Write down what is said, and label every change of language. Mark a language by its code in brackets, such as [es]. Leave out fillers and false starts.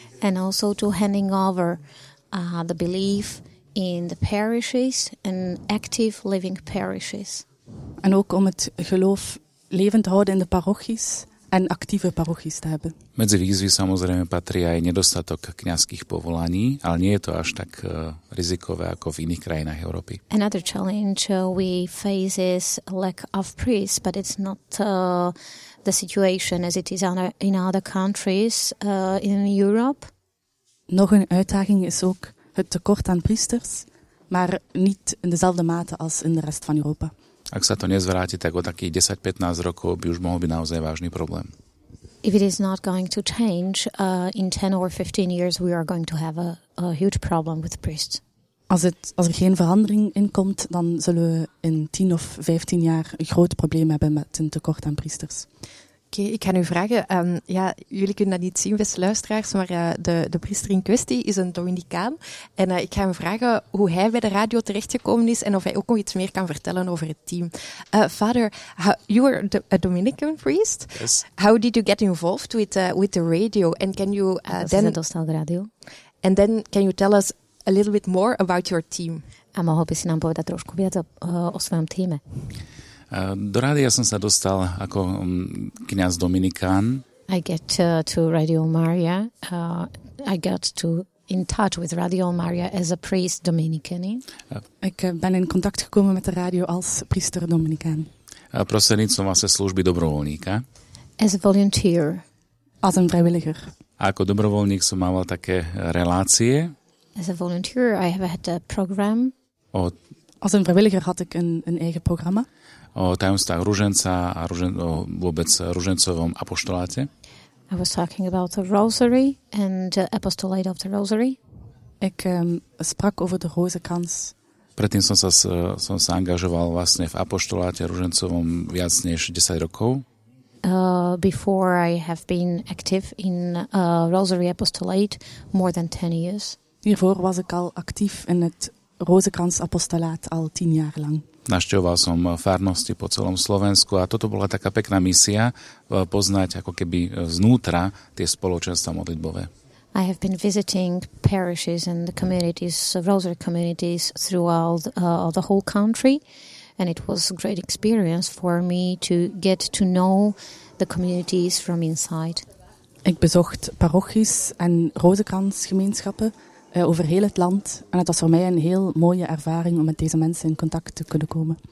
[en] And also to handing over the belief in the parishes and active living parishes. [nl] En ook om het geloof levend te houden in de parochies en actieve parochies te hebben. [sk] Medzi výzvy samozrejme patrí aj nedostatok kňazských povolaní, ale nie je to až tak rizikové ako v iných krajinách Európy. [en] Another challenge we face is lack of priests, but it's not the situation as it is in other countries in Europe. [nl] Nog een uitdaging is ook het tekort aan priesters, maar niet in dezelfde mate als in de rest van Europa. [sk] Ak sa to nezvráti, tak o takých 10-15 rokov by už mohol byť naozaj vážny problém. [en] If it is not going to change in 10 or 15 years, we are going to have a huge problem with priests. [nl] Als er geen verandering in komt, dan zullen we in 10 of 15 jaar een groot probleem hebben met een tekort aan priesters. Oké, ik ga nu vragen. Jullie kunnen dat niet zien, beste luisteraars, maar de priester in kwestie is een Dominicaan. En ik ga hem vragen hoe hij bij de radio terechtgekomen is en of hij ook nog iets meer kan vertellen over het team. [en] Father, you are a Dominican priest. Yes. How did you get involved with the radio? And can you can you tell us a little bit more about your team? [sk] A mohol by si nám povedať trošku viac o svojom týme? Do rádia som sa dostal ako kňaz Dominikán. [en] I get to Radio Maria. I got to in touch with Radio Maria as a priest Dominican. [nl] Ik ben in contact gekomen met de radio als priester Dominikán. [sk] Prostredníctvom vlastne služby dobrovoľníka. [en] As a volunteer. [nl] Als een vrijwilliger. [sk] A ako dobrovoľník som mával také relácie. [en] As a volunteer I have had a program. [nl] Als een vrijwilliger had ik een eigen programma. [sk] O tajomstvách ruženca a vôbec ružencovom apoštoláte. [en] I was talking about the rosary and apostolate of the rosary. [nl] Ik sprak over de rozenkrans. [sk] Predtým som sa angažoval vlastne v apoštoláte ružencovom viac než 10 rokov. [en] Before I have been active in rosary apostolate more than 10 years. [nl] Hiervoor was ik al actief in het rozenkrans apostolaat al 10 jaar lang. [sk] Navštevoval som farnosti po celom Slovensku a toto bola taká pekná misia poznať ako keby znútra tie spoločenstva modlitbové. [en] I have been visiting parishes and the communities, rosary communities throughout the whole country and it was a great experience for me to get to know the communities from inside. [nl] Ik bezocht parochies en rozenkransgemeenschappen over heel het land. En het was voor mij een heel mooie ervaring om met deze mensen in contact te kunnen komen.